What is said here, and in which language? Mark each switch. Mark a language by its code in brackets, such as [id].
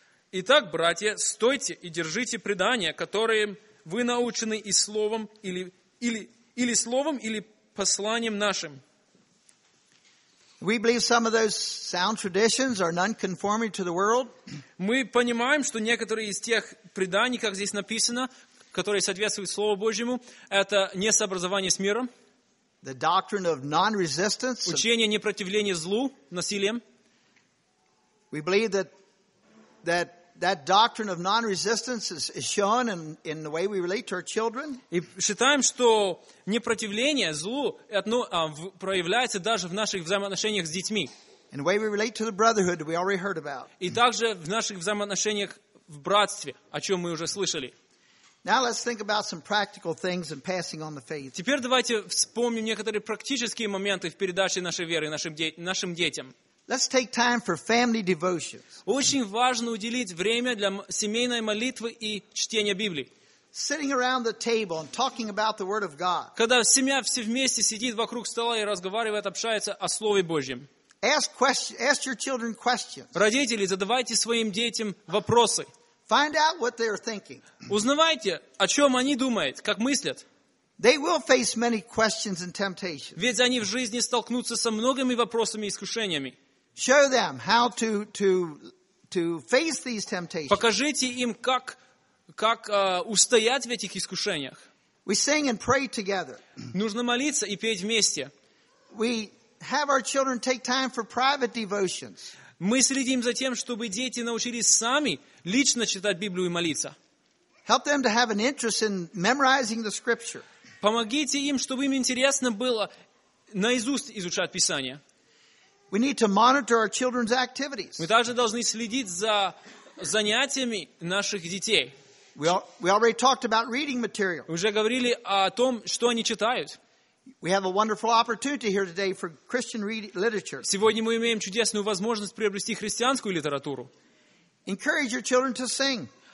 [ru] Итак, братья, стойте и держите предания, которые вы научены и словом, или словом, или посланием нашим. [en] We believe some of those sound traditions are non-conforming to the world. [ru] Мы понимаем, что некоторые из тех преданий, как здесь написано, которые соответствуют Слову Божьему, это не сообразование с миром. [en] The doctrine of non-resistance. [ru] Учение непротивления злу, насилием. [en] We believe that doctrine of non-resistance is shown in the way we relate to our children. [ru] И считаем, что непротивление злу проявляется даже в наших взаимоотношениях с детьми. [en] In the way we relate to the brotherhood, we already heard about. [ru] И также в наших взаимоотношениях в братстве, о чем мы уже слышали. [en] Now let's think about some practical things in passing on the faith. [ru] Теперь давайте вспомним некоторые практические моменты в передаче нашей веры нашим детям. [en] Let's take time for family devotions. [ru] Очень важно уделить время для семейной молитвы и чтения Библии. [en] Sitting around the table and talking about the Word of God. [ru] Когда семья все вместе сидит вокруг стола и разговаривает, общается о Слове Божьем. [en] Ask your children questions. [ru] Родители, задавайте своим детям вопросы. [en] Find out what they are thinking. [ru] Узнавайте, о чем они думают, как мыслят. [en] They will face many questions and temptations. [ru] Ведь они в жизни столкнутся со многими вопросами и искушениями. [en] Show them how to face these temptations. [ru] Покажите им, как устоять в этих искушениях. [en] We sing and pray together. [ru] Нужно молиться и петь вместе. [en] We have our children take time for private devotions. [ru] Мы следим за тем, чтобы дети научились сами лично читать Библию и молиться. [en] Help them to have an interest in memorizing the scripture. [ru] Помогите им, чтобы им интересно было наизусть изучать Писание. [en] We need to monitor our children's activities. [ru] Мы также должны следить за занятиями наших детей. [en] We already talked about reading material. [ru] Уже говорили о том, что они читают. [en] We have a wonderful opportunity here today for Christian literature. [ru] Сегодня мы имеем чудесную возможность приобрести христианскую литературу. [en] Encourage your children to sing.